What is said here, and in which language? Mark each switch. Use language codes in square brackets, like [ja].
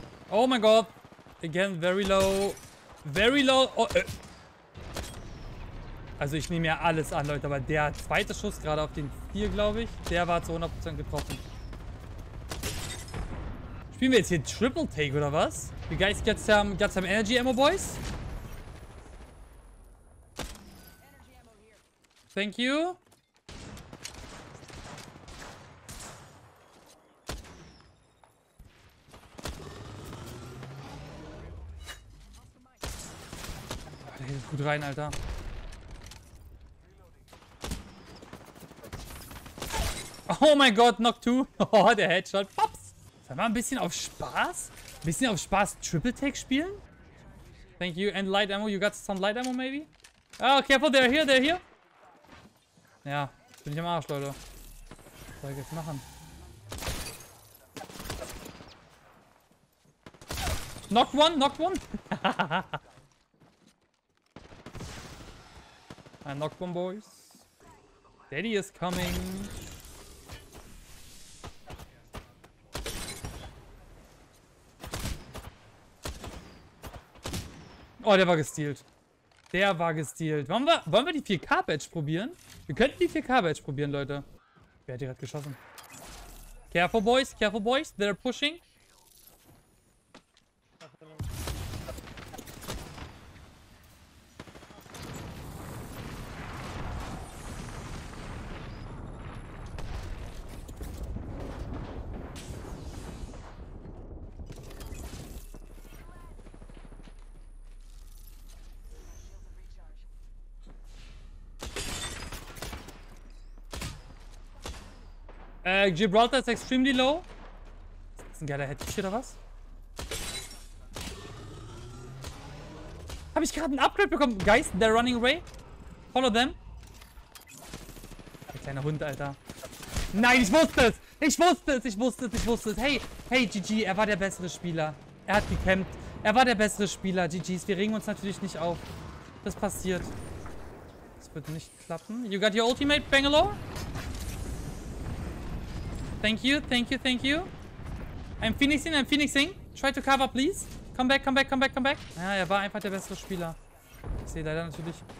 [de] Oh mein Gott. [en] Again, very low. Very low. [de] Oh, Also ich nehme ja alles an, Leute. Aber der zweite Schuss, gerade auf den 4, glaube ich, der war zu 100% getroffen. Spielen wir jetzt hier Triple Take oder was? [en] You guys got some energy ammo, boys? Thank you. [de] Gut rein, Alter. Oh mein Gott, [en] knock two. [de] Oh, der Headshot. Pops. Sollen wir ein bisschen auf Spaß? Ein bisschen auf Spaß Triple Take spielen? [en] Thank you. And light ammo. You got some light ammo, maybe? Oh, careful. They're here, they're here. [de] Ja, bin ich am Arsch, Leute. Was soll ich jetzt machen? [en] Knock one, knock one. I knocked one, boys. Daddy is coming. [de] Oh, der war gestealt. Der war gestealt. Wollen wir die 4K-Badge probieren? Wir könnten die 4K-Badge probieren, Leute. Wer hat die gerade geschossen? [en] Careful, boys, they're pushing. [de] Gibraltar ist extrem low. Ist das ein geiler Headshot oder was? Habe ich gerade ein Upgrade bekommen? [en] Guys, they're running away. Follow them. [de] Der kleine Hund, Alter. Nein, ich wusste es. Ich wusste es. Ich wusste es. Ich wusste es. Hey, hey, GG, er war der bessere Spieler. Er hat gekämpft. Er war der bessere Spieler. GGs, wir regen uns natürlich nicht auf. Das passiert. Das wird nicht klappen. [en] You got your ultimate, Bangalore? Thank you, thank you, thank you. I'm phoenixing. Try to cover, please. Come back, come back, come back, come back. [de] Ja, er war einfach der bessere Spieler. Ich sehe leider natürlich.